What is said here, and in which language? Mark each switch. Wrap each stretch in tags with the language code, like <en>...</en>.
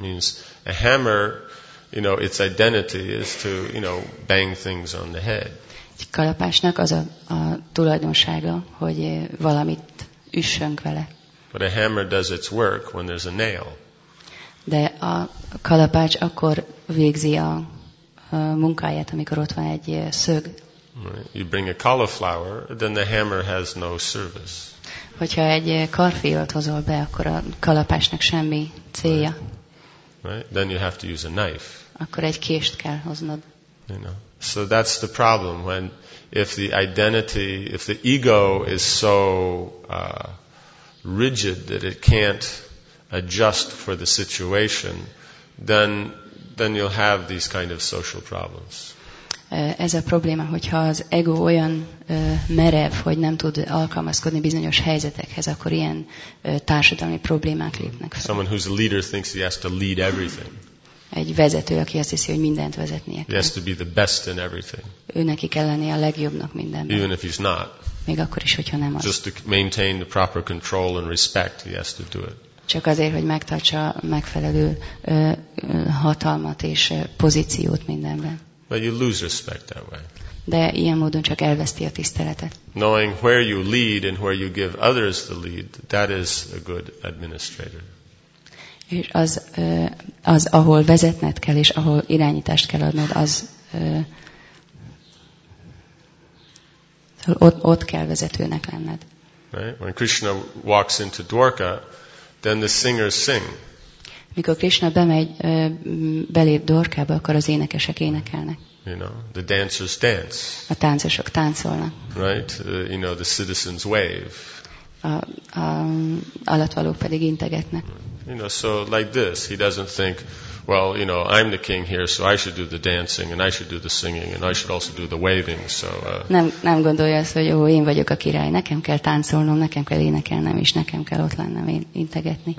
<en>Means a hammer, you know, its identity is to, you know, bang things on the head.</en> <hu>Egy kalapásnak az a tulajdonsága, hogy valamit üssünk vele.</hu> <en>But a hammer does its work when there's a nail.</en> <hu>De a kalapács akkor végzi a munkáját, amikor ott van egy szög.</hu> <en>Right. You bring a cauliflower, then the hammer has no service.</en> <hu>Hogyha egy karfiolt hozol be, akkor a kalapásnak semmi célja.</hu> <en>Right. Then you have to use a knife.</en> <hu>Akkor egy kést kell hoznod.</hu> <en>You know. So that's the problem when if the identity, if the ego is so rigid that it can't adjust for the situation, then you'll have these kind of social problems.</en> <hu>Ez a probléma, hogyha az ego olyan merev, hogy nem tud alkalmazkodni bizonyos helyzetekhez, akkor ilyen társadalmi problémák lépnek fel.</hu> <en>Someone who's a leader thinks he has to lead everything.</en> <hu>Egy vezető, aki azt hiszi, hogy mindent vezetnie kell.</hu> <en>He has to be the best in everything.</en> <hu>Ő neki kell lenni a legjobbnak mindenben.</hu> <en>Even if he's not.</en> <hu>Még akkor is, hogyha nem az.</hu> <en>Just to maintain the proper control and respect, he has to do it.</en> <hu>Csak azért, hogy megtartsa megfelelő hatalmat és pozíciót mindenben.</hu> <en>But you lose respect that way.</en> <hu>De ilyen módon csak elveszti a tiszteletet.</hu> <en>Knowing where you lead and where you give others the lead, that is a good administrator.</en> <hu>És az ahol vezetned kell és ahol irányítást kell adnod, az ott kell vezetőnek lenned.</hu> <en>Right? When Krishna walks into Dwarka, then the singers sing.</en> <hu>Mikor Krishna bemegy, belép Dwarkába, akkor az énekesek énekelnek.</hu> <en>You know, the dancers dance.</en> <hu>A táncosok táncolnak.</hu> <en>Right? You know, the citizens wave.</en> <hu>A alattvalók pedig integetnek.</hu> <en>You know, so like this, he doesn't think, well, you know, I'm the king here, so I should do the dancing, and I should do the singing, and I should also do the waving, so...</en> <hu>Nem gondolja azt, hogy ó, én vagyok a király, nekem kell táncolnom, nekem kell énekelnem, és nekem kell ott lennem, integetni.</hu>